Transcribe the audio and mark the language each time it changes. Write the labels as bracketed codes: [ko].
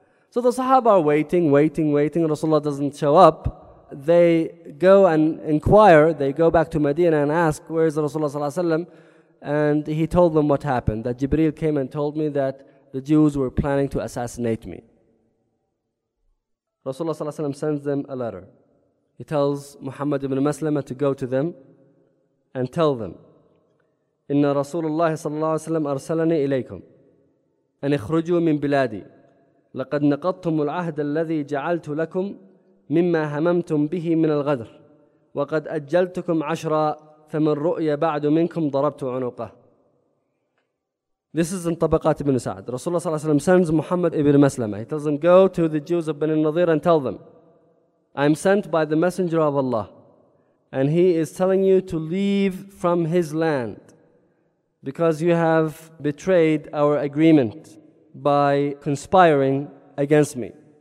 [en] So the Sahaba are waiting, waiting, waiting. Rasulullah doesn't show up. They go and inquire. They go back to Medina and ask, where is Rasulullah sallallahu alayhi wa sallam? And he told them what happened. That Jibreel came and told me that the Jews were planning to assassinate me. Rasulullah sallallahu alayhi wa sallam sends them a letter. He tells Muhammad ibn Maslama to go to them and tell them, [ar] إِنَّ رَسُولُ اللَّهِ صَلَّى اللَّهُ عَلَيْهِ وَسَلَّمَ أَرْسَلَنِي إِلَيْكُمْ أن اخرجوا من بلادي لقد نقضتم العهد الذي جعلت لكم مما هممتم به من الغدر وقد أجلتكم عشرا فمن رؤيا بعد منكم ضربت عنقه. [en] This is in طبقات ابن سعد. Rasulullah [ar] صلى الله عليه وسلم [en] sends Muhammad ibn Maslama. He tells him, go to the Jews of Bani Nadir and tell them, I'm sent by the Messenger of Allah and he is telling you to leave from his land because you have betrayed our agreement by conspiring against me.